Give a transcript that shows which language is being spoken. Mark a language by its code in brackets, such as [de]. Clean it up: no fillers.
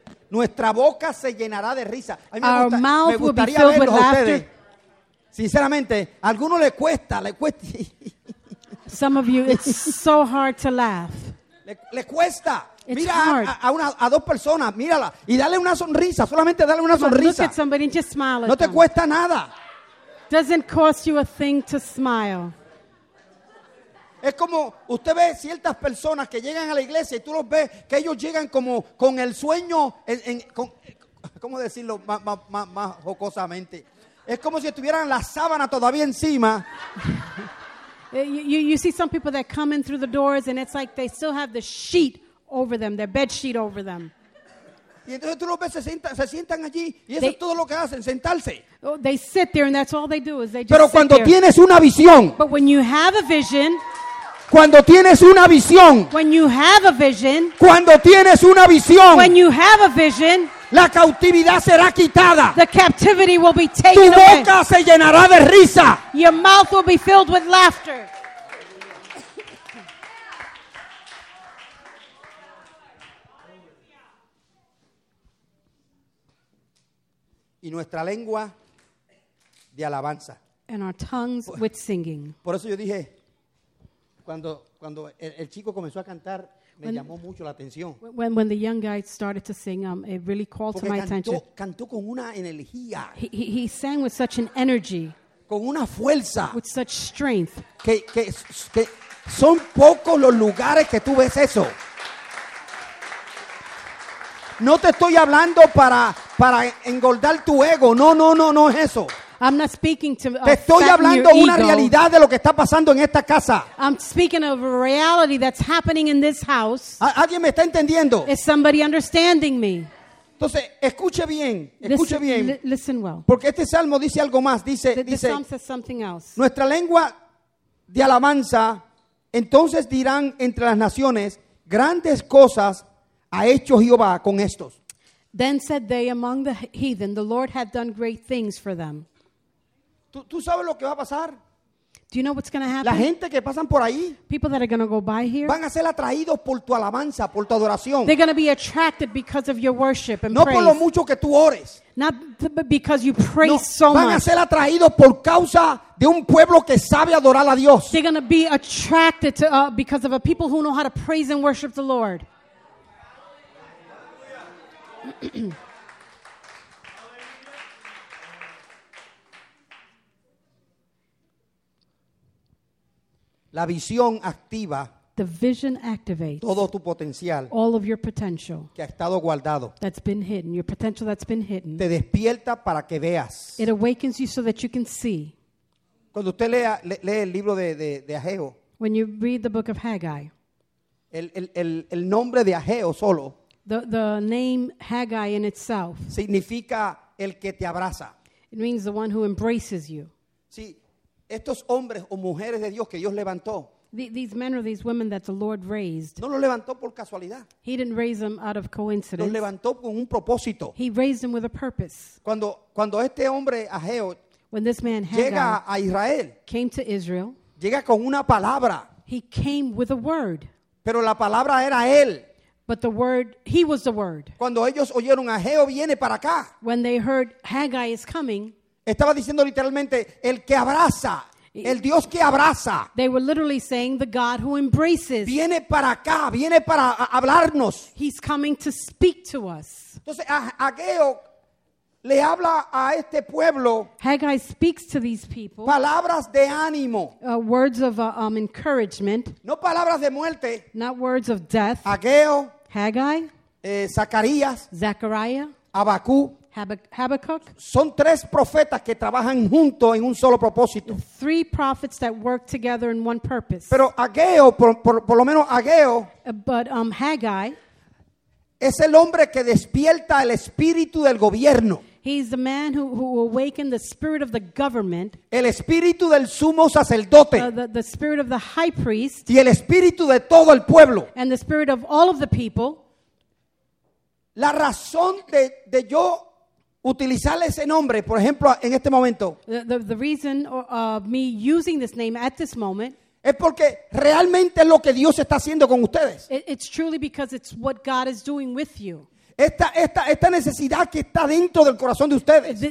[es] Nuestra boca se llenará de risa. [en] Our mouth will be filled with laughter. [es] Sinceramente, a algunos le cuesta. [en] Some of you, it's so hard to laugh. [es] Le cuesta. [en] It's [es] mira [en] hard. [es] A dos personas, mírala y dale una sonrisa, solamente dale una sonrisa. [en] Look at somebody and just smile at [es] no te [en] them. [es] Cuesta nada. [en] Doesn't cost you a thing to smile. [es] Es como usted ve ciertas personas que llegan a la iglesia y tú los ves que ellos llegan como con el sueño en ¿cómo decirlo? Más jocosamente. Es como si estuvieran la sábana todavía encima. [en] You see some people that come in through the doors and it's like they still have the sheet over them, their bed sheet over them. [es] Y entonces tú los ves, se sientan allí y eso es todo lo que hacen, sentarse. [en] They sit there and that's all they do is they just [es] Pero cuando [en] sit there. [es] Tienes una visión. [en] But when you have a vision. [es] Cuando tienes una visión. [en] When you have a vision. [es] Cuando tienes una visión. [en] When you have a vision. [es] La cautividad será quitada. [en] The captivity will be taken away. [es] Tu boca [en] away. [es] Se llenará de risa. [en] Your mouth will be filled with laughter. [es] Y nuestra lengua de alabanza. [en] And our tongues with singing. [es] Por eso yo dije, cuando el chico comenzó a cantar, me llamó mucho la atención. [en] When the young guy started to sing, it really called [es] Porque [en] to my [es] cantó, [en] attention. [es] Cantó con una energía. [en] He sang with such an energy. [es] Con una fuerza. [en] With such strength. [es] Que son pocos los lugares que tú ves eso. No te estoy hablando para engordar tu ego. No es eso. [en] I'm not speaking to [es] Te estoy hablando una realidad de lo que está pasando en esta casa. [en] I'm speaking of a reality that's happening in this house. [es] ¿Alguien me está entendiendo? [en] Is somebody understanding me? [es] Entonces, escuche bien. [en] Listen well. [es] Porque este salmo dice algo más, dice [en] Psalm says something else. [es] Nuestra lengua de alabanza, entonces dirán entre las naciones, grandes cosas ha hecho Jehová con estos. [en] Then said they among the heathen, the Lord hath done great things for them. [es] ¿Tú sabes lo que va a pasar? [en] Do you know what's going to happen? [es] La gente que pasan por ahí, [en] people that are going to go by here, [es] van a ser atraídos por tu alabanza, por tu adoración. [en] They're going to be attracted because of your worship and [es] no [en] praise. [es] No por lo mucho que tú ores. [en] Not because you praise [es] no, [en] so [es] van Van a ser atraídos por causa de un pueblo que sabe adorar a Dios. [en] They're going to be attracted to, because of a people who know how to praise and worship the Lord. [es] La visión activa [en] the vision activates [es] todo tu potencial [en] all of your potential [es] que ha estado guardado [en] that's been hidden your potential that's been hidden [es] te despierta para que veas [en] it awakens you so that you can see [es] cuando usted lee el libro de Ageo [en] when you read the book of Haggai [es] el nombre de Ageo solo [en] the name Haggai in itself [es] significa el que te abraza [en] it means the one who embraces you [es] sí. Estos hombres o mujeres de Dios que Dios levantó. [en] These men or these women that the Lord raised. [es] No los levantó por casualidad. [en] He didn't raise them out of coincidence. [es] Los levantó con un propósito. [en] He raised them with a purpose. [es] Cuando este hombre Ageo [en] When this man Haggai [es] llega a Israel, [en] came to Israel, [es] llega con una palabra. [en] He came with a word. [es] Pero la palabra era él. [en] But the word, he was the word. [es] Cuando ellos oyeron, Ageo viene para acá. [en] When they heard Haggai is coming. [es] Estaba diciendo literalmente, el que abraza. El Dios que abraza. [en] They were literally saying the God who embraces. [es] Viene para acá, viene para hablarnos. [en] He's coming to speak to us. [es] Entonces, Ageo le habla a este pueblo. [en] Haggai speaks to these people. [es] Palabras de ánimo. [en] Words of encouragement. [es] No palabras de muerte. [en] Not words of death. [es] Ageo. [en] Haggai. [es] Zacarías. [en] Zachariah. [es] Habacú. [en] Habakkuk. [es] Son tres profetas que trabajan junto en un solo propósito. [en] Three prophets that work together in one purpose. [es] Pero Ageo, por lo menos Ageo. [en] But Haggai. [es] Es el hombre que despierta el espíritu del gobierno. [en] He's the man who awakened the spirit of the government. [es] El espíritu del sumo sacerdote. [en] The spirit of the high priest. [es] Y el espíritu de todo el pueblo. [en] And the spirit of all of the people. [es] La razón de yo utilizar ese nombre, por ejemplo, en este momento. [en] The reason of me using this name at this moment. [es] Es porque realmente es lo que Dios está haciendo con ustedes. [en] It's truly because it's what God is doing with you. [es] Esta necesidad que está dentro del corazón de ustedes.